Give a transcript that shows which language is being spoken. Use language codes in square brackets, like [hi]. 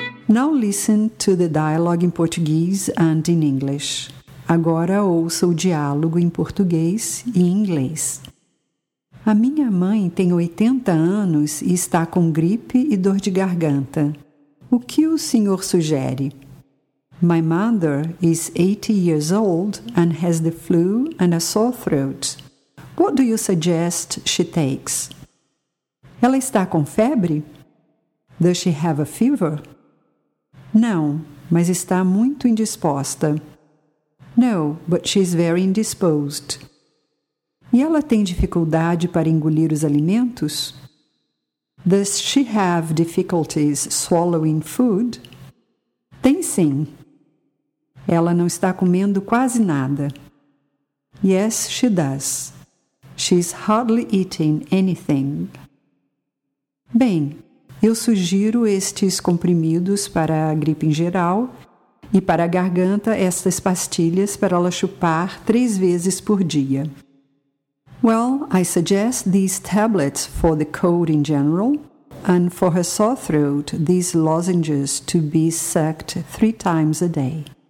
[en] Now listen to the dialogue in Portuguese and in English. [pt] Agora ouça o diálogo em português e em inglês. A minha mãe tem 80 anos e está com gripe e dor de garganta. O que o senhor sugere? [en] My mother is 80 years old and has the flu and a sore throat. What do you suggest she takes? [pt] Ela está com febre? [en] Does she have a fever? [pt] Não, mas está muito indisposta. [en] No, but she's very indisposed. [pt] E ela tem dificuldade para engolir os alimentos? [en] Does she have difficulties swallowing food? [pt] Tem sim. Ela não está comendo quase nada. [en] Yes, she does. She's hardly eating anything. [pt] Bem, eu sugiro estes comprimidos para a gripe em geral e para a garganta, estas pastilhas para ela chupar 3 vezes por dia. [en] Well, I suggest these tablets for the cold in general, and for her sore throat, these lozenges to be sucked 3 times a day.